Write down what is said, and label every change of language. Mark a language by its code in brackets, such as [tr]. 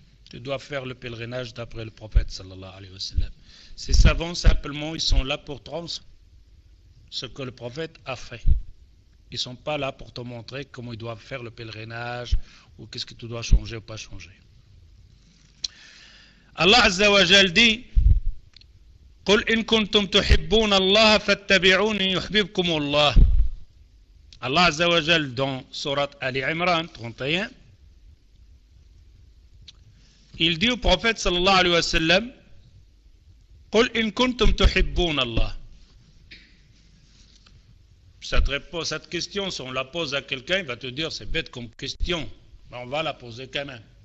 [fr] Tu dois faire le pèlerinage d'après le prophète, sallallahu alayhi wa sallam. Ces savants, simplement, ils sont là pour transmettre ce que le prophète a fait. Ils sont pas là pour te montrer comment ils doivent faire le pèlerinage ou qu'est-ce que tu dois changer ou pas changer. [ar] Allah Azza wa Jal dit: قل إن كنتم تحبون الله فاتبعوني يحببكم الله. [fr] Allah Azza wa Jal dans Surat Ali Imran 31, il dit au prophète sallallahu alayhi wa sallam: [ar] قل إن كنتم تحبون الله. [fr] Cette question, si on la pose à quelqu'un, il va te dire c'est bête comme question, mais on va la poser quand même.